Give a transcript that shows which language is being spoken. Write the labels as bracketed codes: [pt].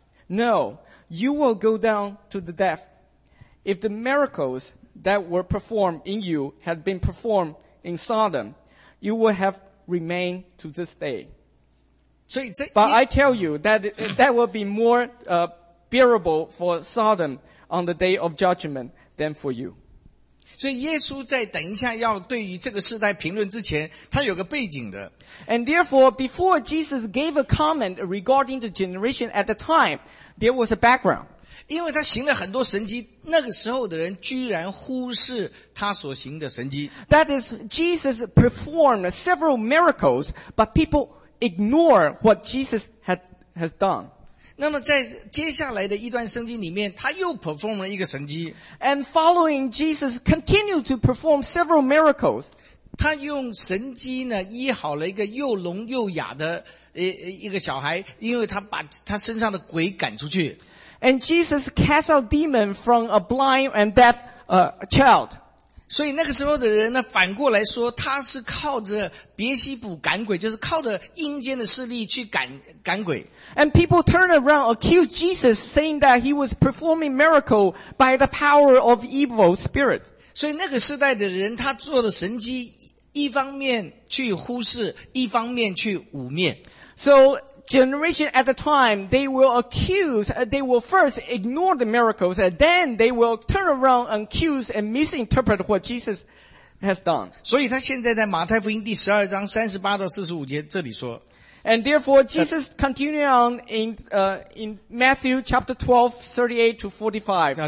[en] No, you will go down to the depth. If the miracles that were performed in you had been performed in Sodom, you would have remained to this day. But I tell you that that will be more bearable for Sodom on the day of judgment than for you. [zh] 所以耶稣在等一下要对于这个世代评论之前，他有个背景的。 [en] And therefore, before Jesus gave a comment regarding the generation at the time, there was a background. [zh] 因为他行了很多神迹，那个时候的人居然忽视他所行的神迹。 [en] That is, Jesus performed several miracles, but people ignore what Jesus has done. [zh] 那么在接下来的一段圣经里面，他又 perform 了一个神迹。 [en] And following Jesus continued to perform several miracles. [zh] 他用神迹呢医好了一个又聋又哑的一个小孩，因为他把他身上的鬼赶出去。 [en] And Jesus cast out demon from a blind and deaf child. [zh] 所以那个时候的人呢，反过来说，他是靠着别西卜赶鬼，就是靠着阴间的势力去赶鬼。 [en] And people turned around, accused Jesus, saying that he was performing miracle by the power of evil spirit. [zh] 所以那个时代的人，他做的神迹，一方面去忽视，一方面去污蔑。 [en] So generation at the time, they will accuse, they will first ignore the miracles, and then they will turn around and accuse and misinterpret what Jesus has done. [zh] 所以他现在在马太福音第十二章三十八到四十五节这里说。 [en] And therefore, Jesus continued on in Matthew chapter 12:38-45.